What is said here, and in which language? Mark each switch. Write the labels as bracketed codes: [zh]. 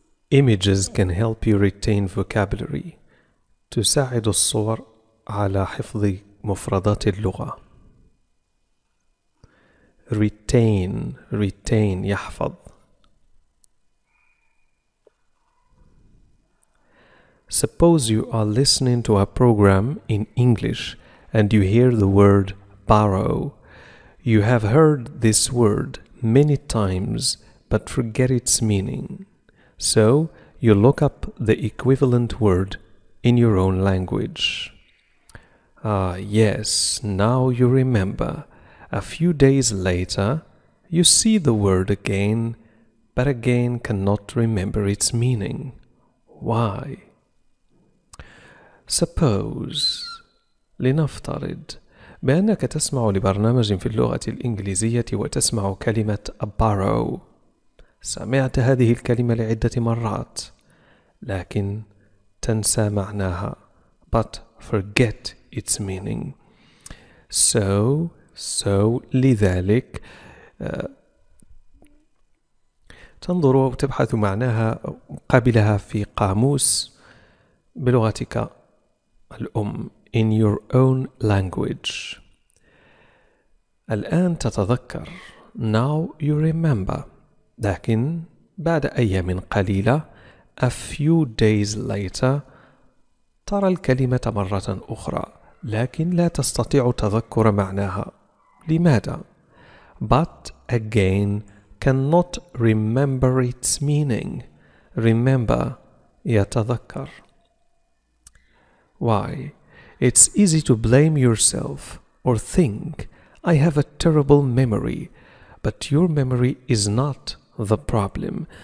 [en] Images can help you retain vocabulary. [ar] تساعد الصور على حفظ مفردات اللغة. [en] Retain, [ar] يحفظ. [en] Suppose you are listening to a program in English and you hear the word borrow. You have heard this word many times but forget its meaning. So, you look up the equivalent word in your own language. Ah, yes, now you remember. A few days later, you see the word again, but again cannot remember its meaning. Why? [ar] Suppose, لنفترض بأنك تسمع لبرنامج في اللغة الإنجليزية وتسمع كلمة borrow. سمعت هذه الكلمة لعدة مرات لكن تنسى معناها [en] but forget its meaning. [ar] So لذلك تنظر وتبحث معناها قابلها في قاموس بلغتك الأم [en] in your own language. [ar] الآن تتذكر [en] now you remember. [ar] لكن بعد أيام قليلة [en] a few days later [ar] ترى الكلمة مرة أخرى لكن لا تستطيع تذكر معناها لماذا؟ [en] but again cannot remember its meaning. Remember [ar] يتذكر. [en] Why? It's easy to blame yourself or think I have a terrible memory, but your memory is not the problem.